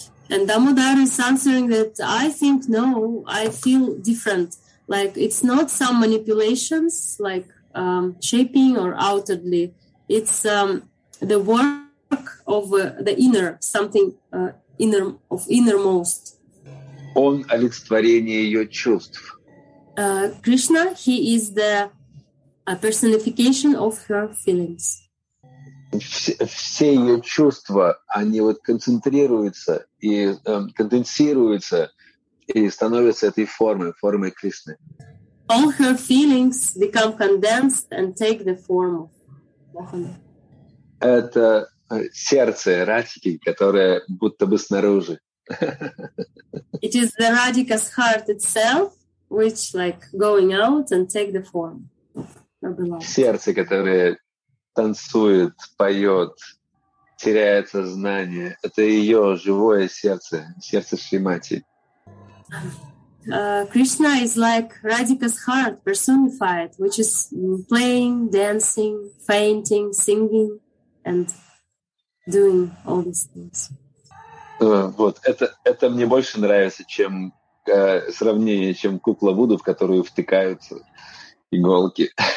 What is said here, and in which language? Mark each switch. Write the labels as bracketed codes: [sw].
[en] And Damodar is answering that I think no, I feel different. Like, it's not some manipulations, like shaping or outwardly. It's the work of the inner, something inner of innermost. [ru] Он олицетворение ее чувств. [en] Krishna, he is the personification of her feelings. [ru] Все ее чувства, они вот концентрируются и конденсируются и становятся этой формой, формой Кришны. [en] All her feelings become condensed and take the form of Mohana. [ru] Это сердце Радхики, которое будто бы снаружи. [en] It is the Radhika's heart itself, which like going out and take the form of Mohana. [ru] Сердце, которое танцует, поет, теряет сознание. Это ее живое сердце, сердце Шримати. [en] Krishna is like Radhika's heart personified, which is playing, dancing, fainting, singing, and doing all these things. [ru] Вот, это мне больше нравится, чем сравнение, чем кукла Вуду, в которую втыкаются иголки.